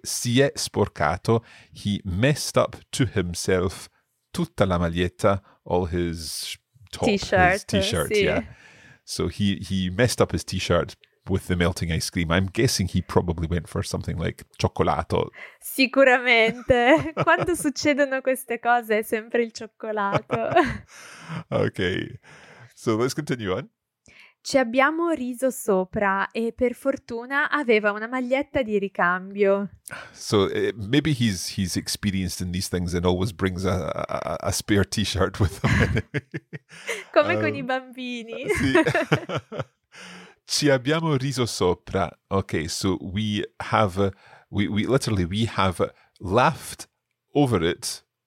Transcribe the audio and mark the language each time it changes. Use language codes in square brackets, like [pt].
[it] Si è sporcato. [en] He messed up to himself [it] tutta la maglietta, [en] all his top, t-shirt, [it] sì. [en] Yeah. So he messed up his t-shirt with the melting ice cream. I'm guessing he probably went for something like cioccolato. [it] Sicuramente. Quando succedono queste cose è sempre il cioccolato. [en] Okay. So let's continue on. [it] Ci abbiamo riso sopra e per fortuna aveva una maglietta di ricambio. [en] So maybe he's experienced in these things and always brings a spare t-shirt with him. [it] Come con i bambini. Sì. Ci abbiamo riso sopra. [en] Okay, so we have laughed over it.